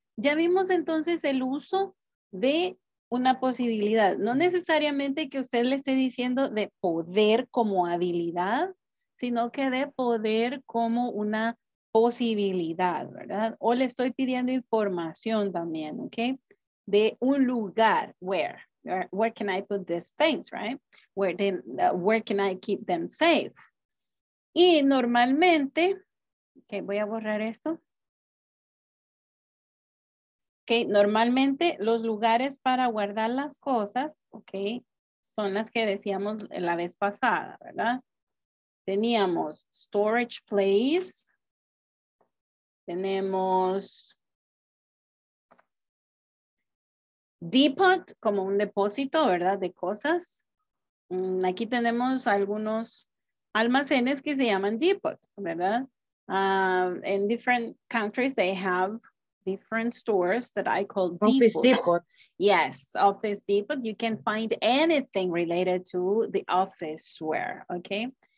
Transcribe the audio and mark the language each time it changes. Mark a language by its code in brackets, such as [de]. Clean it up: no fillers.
[es] Ya vimos entonces el uso de una posibilidad. No necesariamente que usted le esté diciendo de poder como habilidad, sino que de poder como una posibilidad, ¿verdad? O le estoy pidiendo información también, ¿ok? De un lugar, [en] where can I put these things, right? Where can I keep them safe? [es] Y normalmente, [en] okay, [es] voy a borrar esto. Ok, normalmente los lugares para guardar las cosas, ok, son las que decíamos la vez pasada, ¿verdad? Teníamos storage place, tenemos depot, como un depósito, ¿verdad? De cosas. Aquí tenemos algunos almacenes que se llaman depot, ¿verdad? [en] In different countries they have different stores that I call office depot. Yes, office depot. You can find anything related to the office wear, okay?